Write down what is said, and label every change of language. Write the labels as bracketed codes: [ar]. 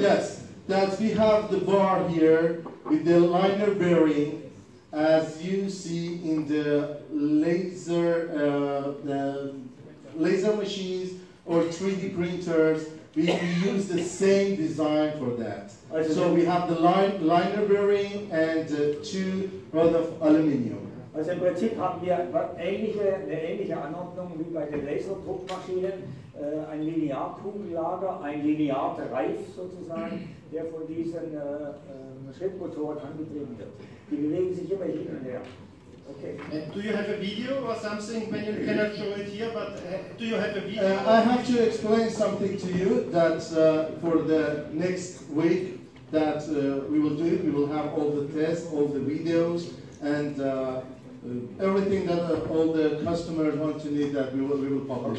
[en] Yes, that we have the bar here with the liner bearing, as you see in the laser machines, or 3D printers, we use the same design for that. So we have the liner bearing and two rods of aluminium. [de] Also im Prinzip haben wir eine ähnliche Anordnung wie bei den Laserdruckmaschinen, ein Linearkugellager, ein linearer Reif sozusagen, der von diesen Schrittmotoren angetrieben wird. Die bewegen sich immer hin und her. Okay. [en] And do you have a video or something? When you cannot show it here, but do you have a video? I have to explain something to you that for the next week that we will do it. We will have all the tests, all the videos, and everything that all the customers want to need that we will publish.